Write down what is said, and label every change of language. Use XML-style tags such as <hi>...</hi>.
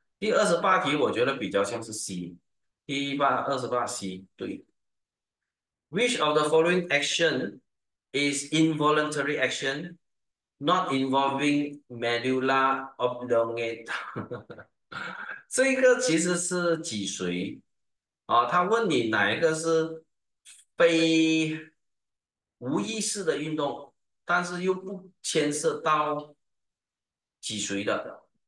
<zh>第28题我觉得比较像是 C，第一八二十八 C 对。</zh> <en>Which of the following action is involuntary action, not involving medulla oblongata？</en> <zh>这个其实是脊髓啊，他问你哪一个是非无意识的运动，但是又不牵涉到脊髓的。</zh>